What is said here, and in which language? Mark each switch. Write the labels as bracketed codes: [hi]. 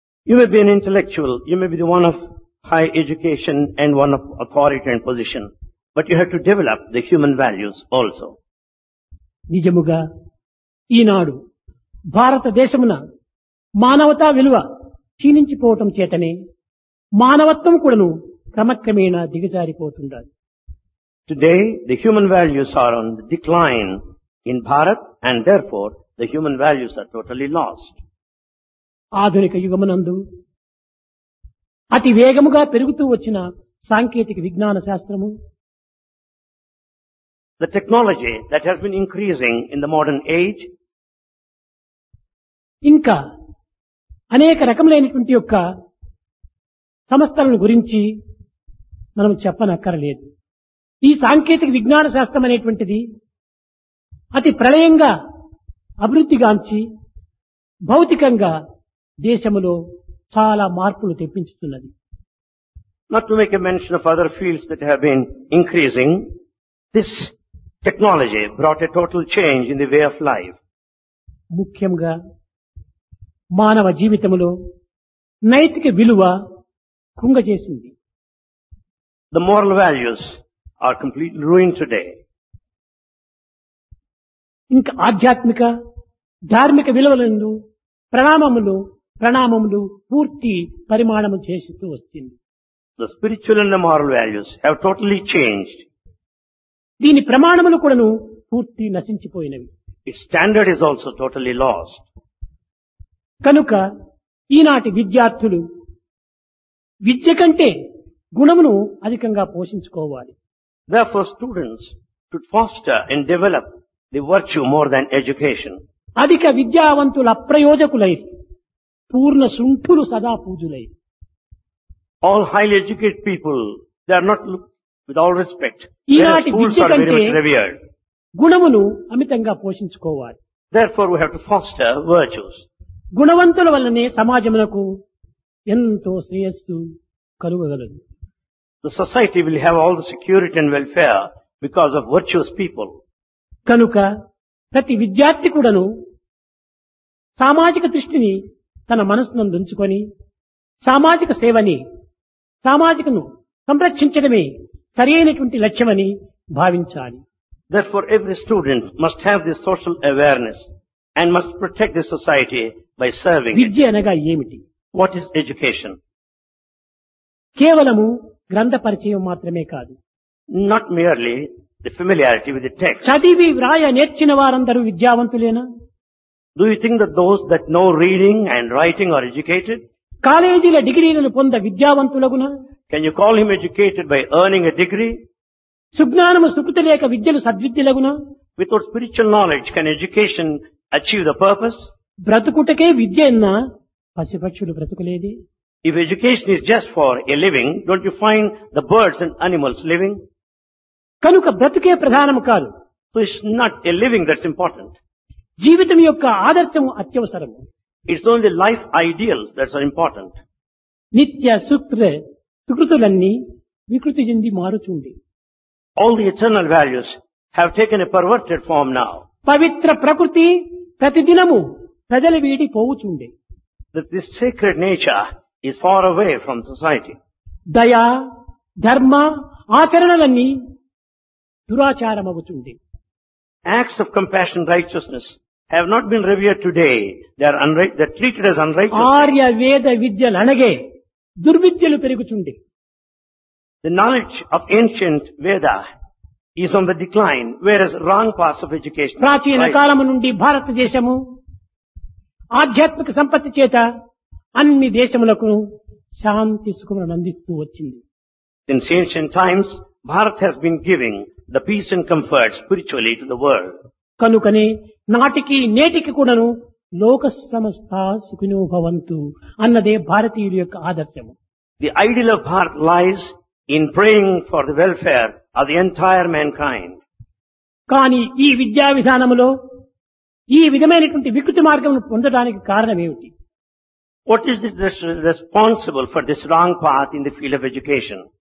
[en] You may be an intellectual, you may be the one of high education and one of authority and position, but you have to develop the human values also. [te] Nijamuga ee naadu భారతదేశమున మానవతా విలువ క్షీణించిపోవటం చేతనే మానవత్వం కూడాను క్రమక్రమేణా దిగజారిపోతుండాలి. [en] Today the human values are on the decline in Bharat and therefore the human values are totally lost. [te] ఆధునిక యుగమునందు అతి వేగముగా పెరుగుతూ వచ్చిన సాంకేతిక విజ్ఞాన శాస్త్రము, [en] the technology that has been increasing in the modern age, [te] ఇంకా అనేక రకములైనటువంటి యొక్క సంస్థలను గురించి మనం చెప్పనక్కరలేదు. ఈ సాంకేతిక విజ్ఞాన శాస్త్రం అనేటువంటిది అతి ప్రళయంగా అభివృద్ధిగాంచి భౌతికంగా దేశంలో చాలా మార్పులు తెప్పించుతున్నది. [en] Not to make a mention of other fields that have been increasing, this technology brought a total change in the way of life. [te] ముఖ్యంగా మానవ జీవితంలో నైతిక విలువ కుంగజేసింది. [en] The moral values are completely ruined today. [te] ఇంకా ఆధ్యాత్మిక ధార్మిక విలువలను ప్రణామములు పూర్తి పరిమాణము చేస్తూ వస్తుంది. [en] The spiritual and the moral values have totally changed. [te] దీని ప్రమాణములు కూడాను పూర్తి నశించిపోయినవి. [en] Its standard is also totally lost. [te] కనుక ఈనాటి విద్యార్థులు విద్య కంటే గుణమును అధికంగా పోషించుకోవాలి. [en] Therefore students should foster and develop the virtue more than education. [te] అధిక విద్యావంతులు అప్రయోజకులై పూర్ణ శృంఖులు సదా పూజులై. [en] All highly educated people, they are not looked with all respect. [te] ఈనాటి విద్య కంటే గుణమును అమితంగా పోషించుకోవాలి. [en] Therefore we have to foster virtues. [te] గుణవంతుల వల్లనే సమాజమునకు ఎంతో శ్రేయస్సు కలుగగలదు. [en] The society will have all the security and welfare because of virtuous people. [te] కనుక ప్రతి విద్యార్థి కూడాను సామాజిక దృష్టిని తన మనస్సునందు ఉంచుకొని సామాజిక సేవని సామాజికను సంరక్షించడమే సరైనటువంటి లక్ష్యమని భావించాలి. [en] Therefore every student must have this social awareness and must protect the society by serving. [te] విద్య అనగా ఏమిటి? [en] What is education? [te] కేవలము గ్రంథ పరిచయం మాత్రమే కాదు. [en] Not merely the familiarity with the text. [te] చదివి వ్రాయ నేర్చిన వారందరూ విద్యావంతులేనా? [en] Do you think that those that know reading and writing are educated? [te] కాలేజీల డిగ్రీలను పొంద విద్యావంతులగునా? [en] Can you call him educated by earning a degree? [te] సుజ్ఞానము Sukriti లేక విద్యలు సద్విద్యలగునా? [en] Without spiritual knowledge can education achieve the purpose? [te] బ్రతుకుటకే విద్య ఎన్నా పశుపక్షులు బ్రతుకులేది? [en] If education is just for a living, don't you find the birds and animals living? [te] కనుక బ్రతుకే ప్రధానము కాదు. [en] So it's not a living that's important. [te] జీవితం యొక్క ఆదర్శము అత్యవసరము. [en] It's only life ideals that's important. [te] నిత్య సుకృతులన్నీ వికృతి చెంది మారుచుండి. [en] All the eternal values have taken a perverted form now. [te] పవిత్ర ప్రకృతి ప్రతిదినము ప్రజల వీడి పోవుచుండి. [en] This sacred nature is far away from society. [te] దయ ధర్మ ఆచరణలన్నీ దురాచారమవుతుంది. [en] Acts of compassion, righteousness have not been revered today. They are treated as unrighteous. [te] Arya వేద విద్యలు అనగే దుర్విద్యలు పెరుగుచుండి. [en] The knowledge of ancient Veda is on the decline, whereas wrong paths of education. [te] ప్రాచీన కాలము నుండి భారతదేశము ఆధ్యాత్మిక సంపత్తి చేత అన్ని దేశములకు శాంతి సుఖములను అందిస్తూ వచ్చింది. [en] In ancient times, Bharat has been giving the peace and comfort spiritually to the world. [te] కనుకనే నాటికి నేటికి కూడాను [sa] లోక సమస్త సుఖినో భవంతు [te] అన్నదే భారతీయుల యొక్క ఆదర్శము. [en] The ideal of Bharat lies in praying for the welfare of the entire mankind. [te] కాని ఈ విద్యా విధానములో ఈ విధమైనటువంటి వికృతి మార్గమును పొందడానికి కారణం ఏమిటి? [en] What is it that's responsible for this wrong path in the field of education?